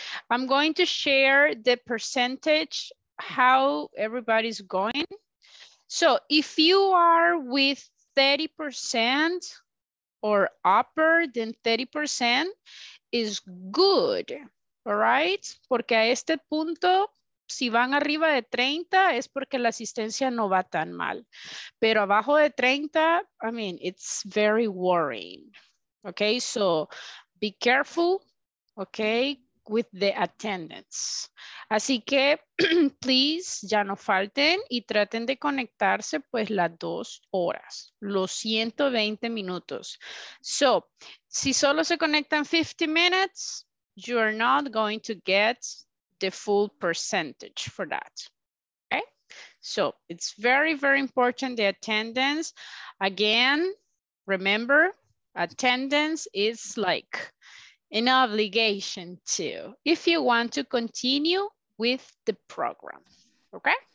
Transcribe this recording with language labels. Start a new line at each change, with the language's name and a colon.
English: I'm going to share the percentage, how everybody's going. So if you are with 30% or upper than 30% is good, all right?
Spanish: Porque a este punto, si van arriba de 30, es porque la asistencia no va tan mal. Pero abajo de 30,
English: I mean, it's very worrying. Okay, so be careful, okay, with the attendance.
Spanish: Así que, please, ya no falten y traten de conectarse pues las 2 horas, los 120 minutos.
English: So,
Spanish: si solo se conectan
English: 50 minutes, you are not going to get the full percentage for that, okay? So it's very, very important, the attendance. Again, remember, attendance is like an obligation too, if you want to continue with the program, okay?